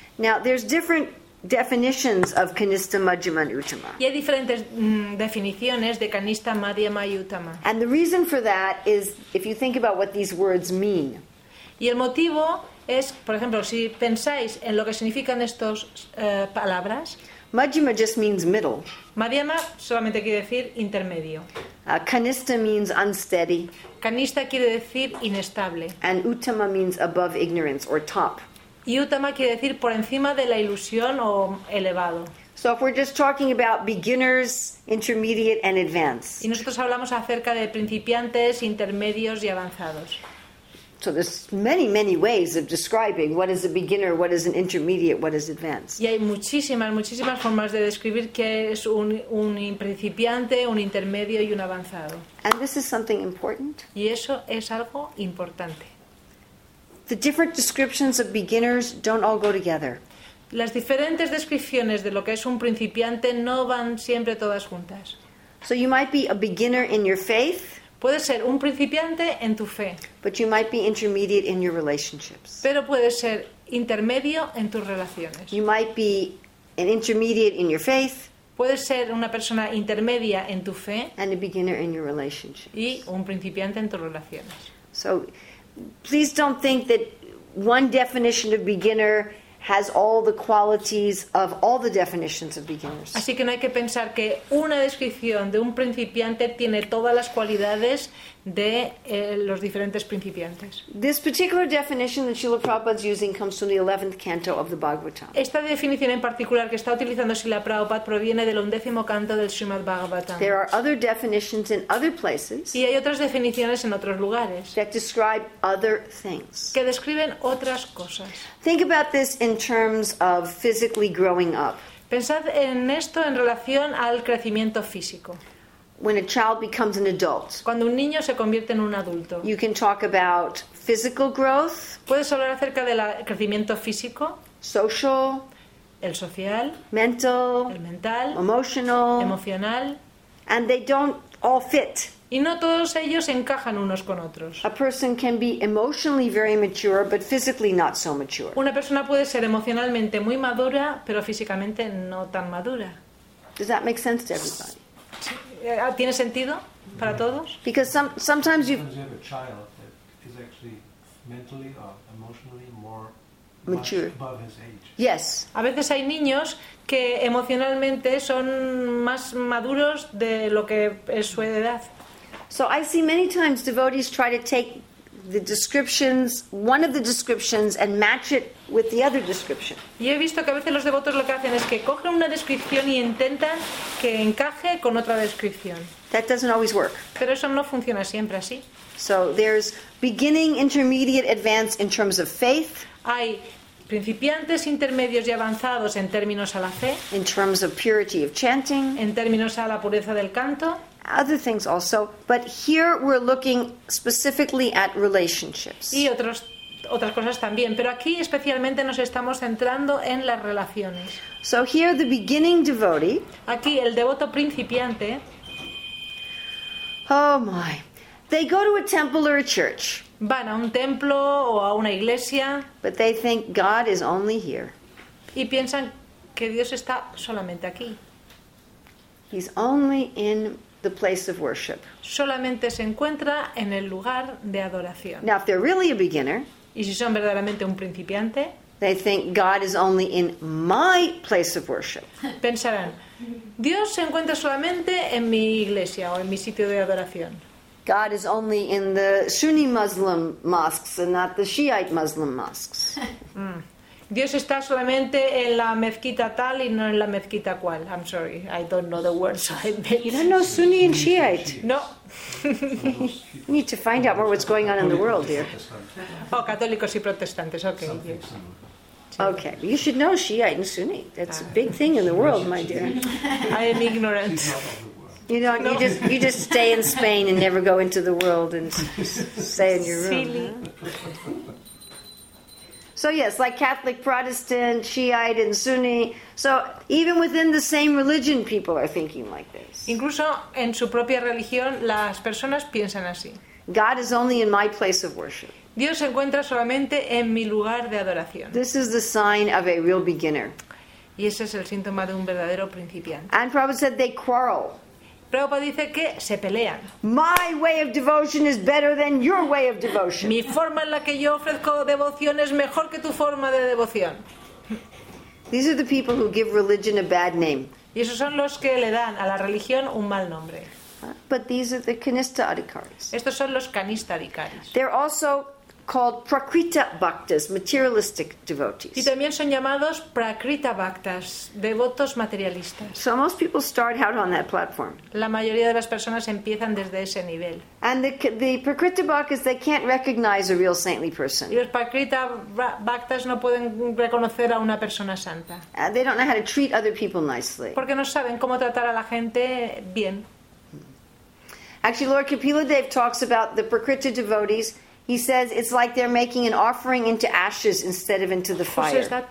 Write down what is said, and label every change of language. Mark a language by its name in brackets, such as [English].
[English] Now there's different definitions of Kanista, Madhyama and Uttama. [Spanish] Y hay diferentes definiciones de Kanista, Madhyama y Uttama. [English] And the reason for that is if you think about what these words mean. [Spanish] Y el motivo es, por ejemplo, si pensáis en lo que significan estas palabras. [English] Madhyama just means middle. [Spanish] Madhyama solamente quiere decir intermedio. [English] Kanista means unsteady. [Spanish] Kanista quiere decir inestable. [English] And Uttama means above ignorance or top. [Spanish] Y Uttama quiere decir por encima de la ilusión o elevado. [English] So if we're just talking about beginners, intermediate and advanced. [Spanish] Y nosotros hablamos acerca de principiantes, intermedios y avanzados. [English] So there's many, many ways of describing what is a beginner, what is an intermediate, what is advanced. [Spanish] Y hay muchísimas, muchísimas formas de describir qué es un principiante, un intermedio y un avanzado. [English] And this is something important. [Spanish] Y eso es algo importante. [English] The different descriptions of beginners don't all go together. [Spanish] Las diferentes descripciones de lo que es un principiante no van siempre todas juntas. [English] So you might be a beginner in your faith. [Spanish] Puede ser un principiante en tu fe. [English] But you might be intermediate in your relationships. [Spanish] Pero puede ser intermedio en tus relaciones. [English] You might be an intermediate in your faith. [Spanish] Puede ser una persona intermedia en tu fe. [English] And a beginner in your relationships. [Spanish] Y un principiante en tus relaciones. [English] So please don't think that one definition of beginner has all the qualities of all the definitions of beginners. [Spanish] Así que no hay que pensar que una descripción de un principiante tiene todas las cualidades de los diferentes principiantes. [English] This particular definition that Srila Prabhupada is using comes from the 11th canto of the Bhagavatam. [Spanish] Esta definición en particular que está utilizando Srila Prabhupada proviene del 11th canto del Srimad Bhagavatam. [English] There are other definitions in other places. [Spanish] Y hay otras definiciones en otros lugares. [English] That describe other things. [Spanish] Que describen otras cosas. [English] Think about this in terms of physically growing up. [Spanish] Pensad en esto en relación al crecimiento físico. [English] When a child becomes an adult, [Spanish] cuando un niño se convierte en un adulto, [English] you can talk about physical growth, [Spanish] puedes hablar acerca del crecimiento físico, [English] social, [Spanish] el social, [English] mental, [Spanish] el mental, [English] emotional, [Spanish] emocional, [English] and they don't all fit. [Spanish] Y no todos ellos encajan unos con otros. [English] A person can be emotionally very mature, but physically not so mature. [Spanish] Una persona puede ser emocionalmente muy madura, pero físicamente no tan madura. [English] Does that make sense to everybody? [Spanish] ¿Tiene sentido para todos? [English] Because sometimes you have a child that is actually mentally or emotionally more mature, much above his age. Yes. [Spanish] A veces hay niños que emocionalmente son más maduros de lo que es su edad. [English] So I see many times devotees try to take the descriptions, one of the descriptions, and match it with the other description. [Spanish] Y he visto que a veces los devotos lo que hacen es que cogen una descripción y intentan que encaje con otra descripción. [English] That doesn't always work. [Spanish] Pero eso no funciona siempre así. [English] So there's beginning, intermediate, advanced in terms of faith. [Spanish] Hay principiantes, intermedios y avanzados en términos a la fe. [English] In terms of purity of chanting. [Spanish] En términos a la pureza del canto. [English] Other things also, but here we're looking specifically at relationships. [Spanish] Y otras cosas también, pero aquí especialmente nos estamos centrando en las relaciones. [English] So here the beginning devotee. [Spanish] Aquí el devoto principiante. [English] Oh my. They go to a temple or a church. [Spanish] Van a un templo o a una iglesia. [English] But they think God is only here. [Spanish] Y piensan que Dios está solamente aquí. [English] He's only in the place of worship. [Spanish] Solamente se encuentra en el lugar de adoración. [English] Now, if they're really a beginner, [Spanish] y si son verdaderamente un principiante, [English] they think God is only in my place of worship. [Spanish] Pensarán, Dios se encuentra solamente en mi iglesia o en mi sitio de adoración. [English] God is only in the Sunni Muslim mosques and not the Shiite Muslim mosques. [Spanish] Dios está solamente en la mezquita tal y no en la mezquita cual. [English] I'm sorry, I don't know the words. You don't know Sunni and Shiite? No. You need to find out more what's going on in the world here. [Spanish] Oh, católicos y protestantes, okay. [English] Yes. Okay, you should know Shiite and Sunni. That's a big thing in the world, my dear. I am ignorant. You know, no. you just stay in Spain and never go into the world and stay in your room. Silly. So yes, like Catholic, Protestant, Shiite, and Sunni. So even within the same religion, people are thinking like this. [Spanish] Incluso en su propia religión, las personas piensan así. [English] God is only in my place of worship. [Spanish] Dios se encuentra solamente en mi lugar de adoración. [English] This is the sign of a real beginner. [Spanish] Y ese es el síntoma de un verdadero principiante. [English] And Prabhupada said they quarrel. [Spanish] Prabhupada dice que se pelean. [English] My way of devotion is better than your way of devotion. [Spanish] Mi forma en la que yo ofrezco devoción es mejor que tu forma de devoción. [English] These are the people who give religion a bad name. [Spanish] Y esos son los que le dan a la religión un mal nombre. [English] But these are the Kanista Adhikaris. [Spanish] Estos son los Kanista Adhikaris. [English] They're also called Prakriti Bhaktas, materialistic devotees. [Spanish] Y también son llamados Prakriti Bhaktas, devotos materialistas. [English] So most people start out on that platform. [Spanish] La mayoría de las personas empiezan desde ese nivel. [English] And the Prakriti Bhaktas, they can't recognize a real saintly person. [Spanish] Y los Prakriti Bhaktas no pueden reconocer a una persona santa. [English] They don't know how to treat other people nicely. [Spanish] Porque no saben cómo tratar a la gente bien. [English] Actually, Lord Kapiladev talks about the Prakriti devotees. He says it's like they're making an offering into ashes instead of into the fire.